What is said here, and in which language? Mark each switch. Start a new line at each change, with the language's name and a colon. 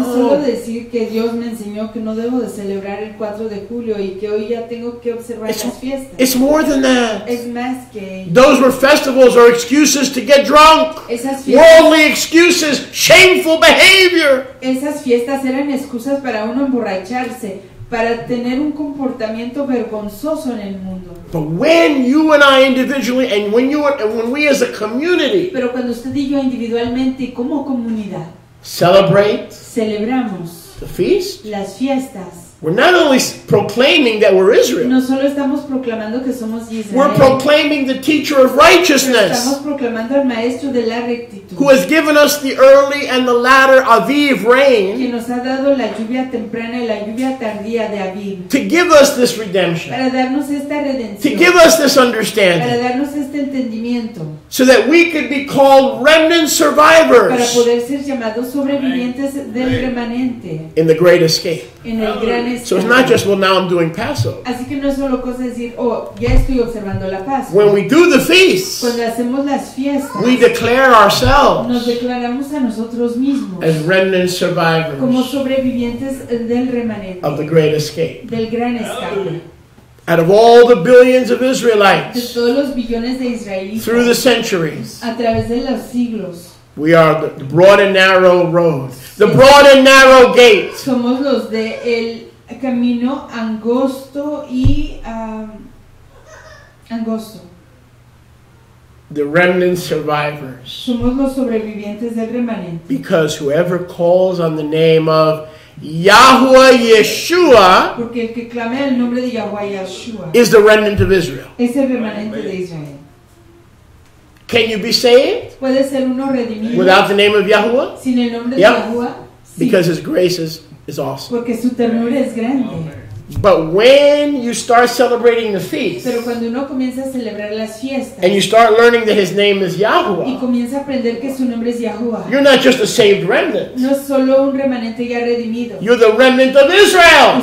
Spanish: No solo decir que Dios me enseñó que no debo de celebrar el 4 de julio y que hoy ya tengo que observar las fiestas.
English: It's more than that.
Spanish: Es más que.
English: Those were festivals or excuses to get drunk.
Spanish: Esas fiestas.
English: Worldly excuses, shameful behavior.
Spanish: Esas fiestas eran excusas para uno emborracharse. Para tener un comportamiento vergonzoso en el mundo.
English: But when you and I individually, and when you are, and when we as a community,
Spanish: pero cuando usted y yo individualmente y como comunidad,
English: celebrate,
Spanish: celebramos
English: the feast,
Spanish: las fiestas.
English: We're not only proclaiming that we're Israel.
Spanish: No solo estamos proclamando que somos Israel.
English: We're proclaiming the teacher of righteousness.
Spanish: Estamos proclamando al maestro de la rectitud.
English: Who has given us the early and the latter Aviv rain.
Spanish: Quien nos ha dado la lluvia temprana y la lluvia tardía de Aviv.
English: To give us this redemption.
Spanish: Para darnos esta redención.
English: To give us this understanding.
Spanish: Para darnos este entendimiento.
English: So that we could be called remnant survivors.
Spanish: Para poder ser llamados sobrevivientes del remanente.
English: In the great escape.
Spanish: En el gran escape.
English: So it's not just, well, now I'm doing Passover.
Spanish: Así que no es solo cosa decir, oh, ya estoy observando la Pascua.
English: When we do the feasts,
Spanish: cuando hacemos las fiestas,
English: we declare ourselves,
Spanish: nos declaramos a nosotros mismos,
English: as remnant survivors,
Spanish: como sobrevivientes del remanente,
English: of the great escape,
Spanish: del gran escape.
English: Out of all the billions of Israelites,
Spanish: de todos los billones de israelitas,
English: through the centuries,
Spanish: a través de los siglos,
English: we are the broad and narrow road. The broad and narrow gate.
Spanish: Somos los de el camino angosto y angosto.
English: The remnant survivors.
Spanish: Somos los sobrevivientes del remanente.
English: Because whoever calls on the name of Yahuwah Yeshua,
Spanish: porque el que clame el nombre de Yahuwah Yeshua,
English: is the remnant of Israel.
Spanish: Es el remanente de Israel.
English: Can you be saved without the name of Yahuwah?
Spanish: Sin el nombre de Yahuwah? Sí.
English: Because his grace is awesome.
Spanish: Porque su ternura es grande.
English: But when you start celebrating the feast,
Spanish: pero cuando uno comienza a celebrar las fiestas,
English: and you start learning that his name is Yahuwah,
Spanish: y comienza a aprender que su nombre es Yahuwah,
English: you're not just a saved remnant.
Spanish: No solo un remanente ya redimido.
English: You're the remnant of Israel.